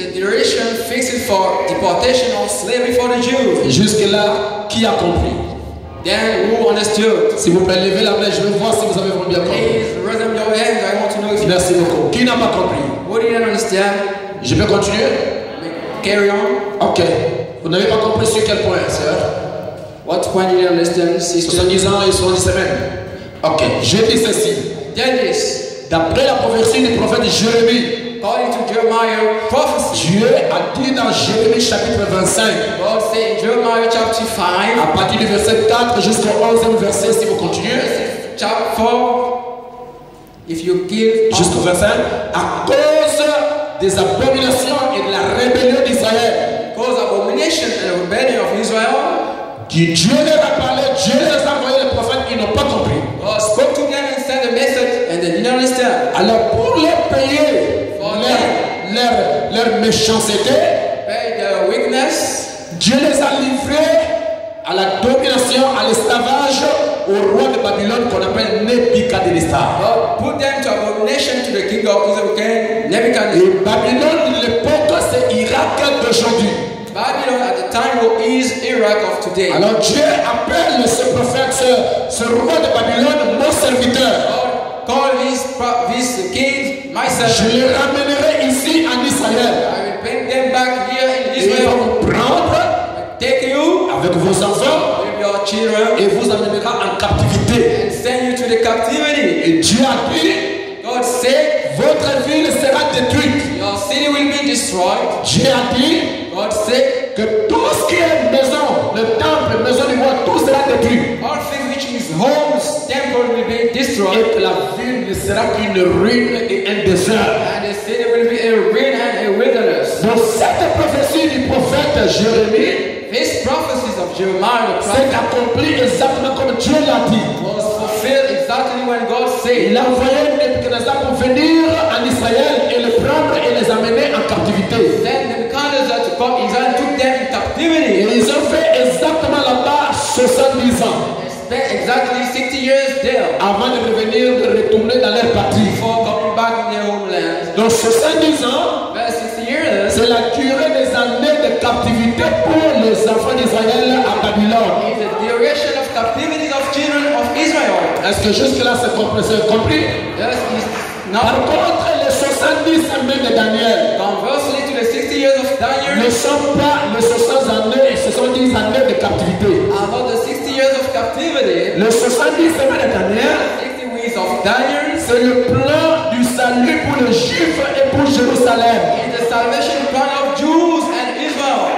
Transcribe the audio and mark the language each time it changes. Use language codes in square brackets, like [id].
[en] Duration fixed for deportation of slavery for the Jews. [fr] Jusque là, qui a compris? [en] Then who understood? [fr] S'il vous plaît, levez la main. Je veux voir si vous avez vraiment bien compris. [en] Please raise your hand. I want to know if. [fr] Merci beaucoup. Qui n'a pas compris? [en] What did you understand? [fr] Je peux continuer? [en] Carry on. Ok. [fr] Vous n'avez pas compris sur quel point, sœur? [en] What point did you understand, sister? [fr] 70 ans et 70 semaines. Ok. Je dis ceci. [en] Then this. [fr] D'après la prophétie du prophète Jérémie. [en] According to Jeremiah, prophecy. [fr] Dieu a dit dans Jérémie chapitre 25. [en] God said in Jeremiah chapter 5. [fr] À partir du verset 4 jusqu'au 11e verset, si vous continuez. [en] Chapter 4. If you give. [fr] Jusqu'au verset 1. À cause des abominations et de la rébellion d'Israël. [en] Cause abomination and rebellion of Israel. [fr] Qui Dieu leur a parlé, Dieu les a envoyés les prophètes, ils n'ont pas compris. [en] God spoke to them and sent a message and they didn't understand. [fr] Alors pour les payer. Leur méchanceté, [en] their weakness, [fr] Dieu les a livrés à la domination, à l'esclavage, au roi de Babylone qu'on appelle Nebuchadnezzar. [en] Put them to abomination to the king of Israel, Nebuchadnezzar. [fr] Et Babylone de l'époque, c'est Irak d'aujourd'hui. [en] Babylon at the time is Iraq of today. [fr] Alors Dieu appelle ce prophète, ce roi de Babylone, mon serviteur. [en] Call this king my servant. [fr] Je les ramènerai ici en Israël. [en] I will bring them back here in Israel. [fr] Et ils vont vous prendre, [en] take you [fr] avec vos enfants, [en] with your children, [fr] et vous amènera en captivité. [en] And send you to the captivity. [fr] Et Dieu a dit, [en] God said, [fr] votre ville sera détruite. [en] Your city will be destroyed. [fr] Dieu a dit, [en] God said, [fr] que tout ce qui est maison, le temple, la maison du roi, tout sera détruit. [en] All things which is homes. Temple will be destroyed. [fr] Et la ville sera une ruine et un désert. [en] And the city will be a ruin and a wilderness. [fr] Donc cette prophétie du prophète Jérémie, [en] this prophecy of Jeremiah the prophet, [fr] s'est accomplie exactement comme Dieu l'a dit. [en] Was fulfilled exactly when God said. [fr] Il a envoyé Nebuchadnezzar pour venir en Israël et le prendre et les amener en captivité. [en] Then Nebuchadnezzar to come Israel took them in captivity. [fr] Et ils ont fait exactement là-bas 70 ans. [en] Exactly 60 years there. [fr] Avant de revenir, de retourner dans leur patrie. [en] Before coming back in their homeland. [fr] Donc 70 ans. [en] That's 60 years. [fr] C'est la durée des années de captivité pour les enfants d'Israël à Babylone. [en] It's the duration of captivity of children of Israel. [fr] Est-ce que jusque là c'est compris? [en] Yes, it's not. [fr] Par contre, les 70 années de Daniel. [en] Conversely to the 60 years of Daniel. [fr] Ne sont pas les 70 années de captivité. [en] About the 60 years of captivity. [fr] Le 70 semaines de Daniel. [en] 60 weeks of Daniel. [fr] C'est le plan du salut pour les Juifs et pour Jérusalem. [en] It's the salvation plan of Jews and Israel.